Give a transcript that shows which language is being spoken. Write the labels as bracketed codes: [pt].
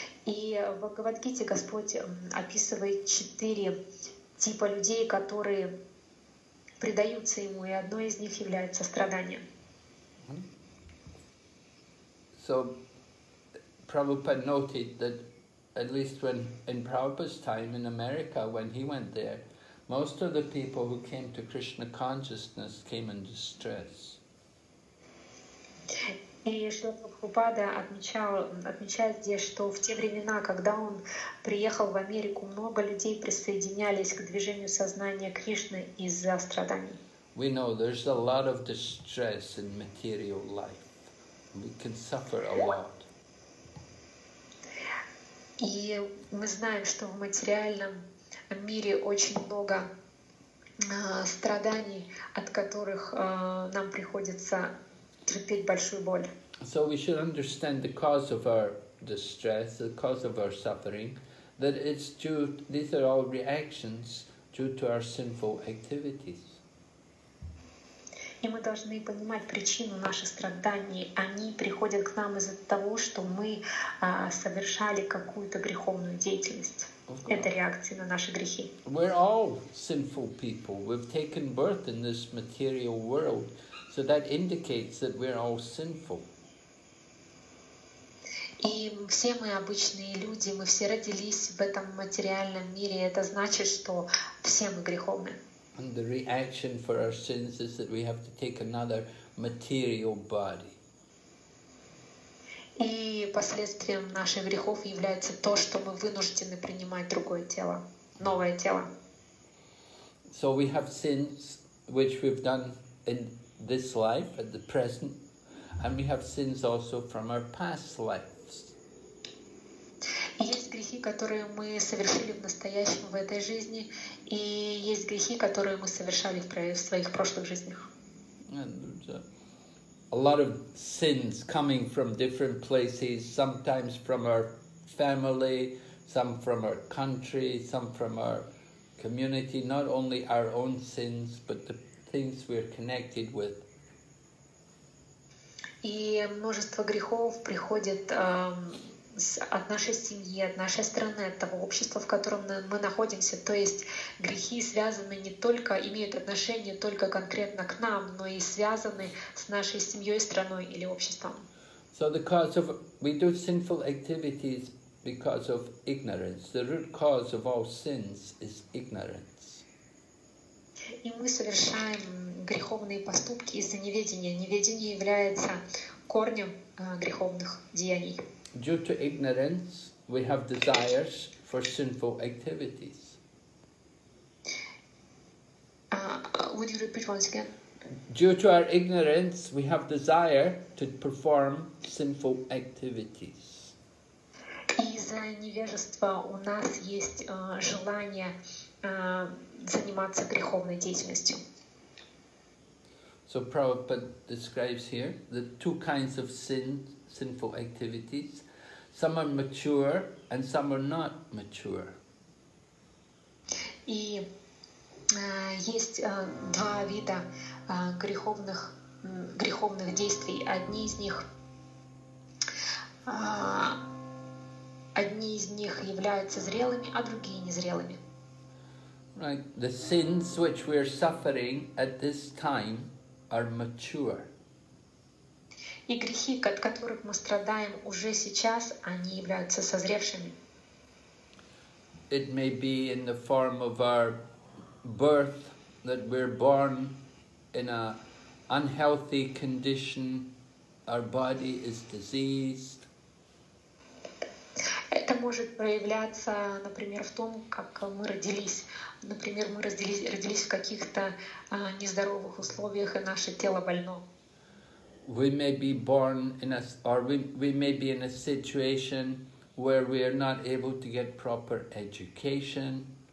[ru] И в Бхагавад-гите Господь описывает четыре типа людей, которые предаются Ему, и одно из них является страдание. [en] So, Prabhupada noted that, at least when in Prabhupada's time in America, when he went there, most of the people who came to Krishna consciousness came in distress. [ru] И Шрила Прабхупада отмечает здесь, что в те времена, когда он приехал в Америку, много людей присоединялись к движению сознания Кришны из-за страданий. [en] We know there's a lot of distress in material life. We can suffer a lot. [ru] И мы знаем, что в материальном мире очень много страданий, от которых нам приходится терпеть большую боль. [en] So we should understand the cause of our distress, the cause of our suffering, that it's due, these are all reactions due to our sinful activities. [ru] И мы должны понимать причину наших страданий. Они приходят к нам из-за того, что мы совершали какую-то греховную деятельность. Это реакция на наши грехи. [en] We're all sinful people. We've taken birth in this material world. So that indicates that we're all sinful. [ru] И все мы обычные люди, мы все родились в этом материальном мире, это значит, что все мы греховны. [en] And the reaction for our sins is that we have to take another material body. [ru] И последствием наших грехов является то, что мы вынуждены принимать другое тело, новое тело. [en] So we have sins which we've done in this life, at the present, and we have sins also from our past life. [ru] Есть грехи, которые мы совершили в настоящем, в этой жизни, и есть грехи, которые мы совершали в своих прошлых жизнях. [en] A lot of sins coming from different places, sometimes from our family, some from our country, some from our community, not only our own sins, but the things we are connected with. [ru] И множество грехов приходит от нашей семьи, от нашей страны, от того общества, в котором мы находимся. То есть грехи связаны не только, имеют отношение только конкретно к нам, но и связаны с нашей семьей, страной или обществом. [en] So the cause of, we do sinful activities because of ignorance. The root cause of all sins is ignorance. [ru] И мы совершаем греховные поступки из-за неведения. Неведение является корнем греховных деяний. [en] Due to ignorance, we have desires for sinful activities. Would you repeat once again? Due to our ignorance, we have desire to perform sinful activities. [ru] Из-за невежества у нас есть желание заниматься греховной деятельностью. [en] So Prabhupada describes here the two kinds of sinful activities. Some are mature and some are not mature. [ru] И есть два вида греховных действий. Одни из них являются зрелыми, а другие незрелыми. [en] Right. The sins which we are suffering at this time are mature. [ru] И грехи, от которых мы страдаем уже сейчас, они являются созревшими. [en] It may be in the form of our birth, that we're born in a unhealthy condition, our body is diseased. [ru] Это может проявляться, например, в том, как мы родились. Например, мы родились в каких-то нездоровых условиях, и наше тело больно. [en] We may be born in a, or we may be in a situation where we are not able to get proper education.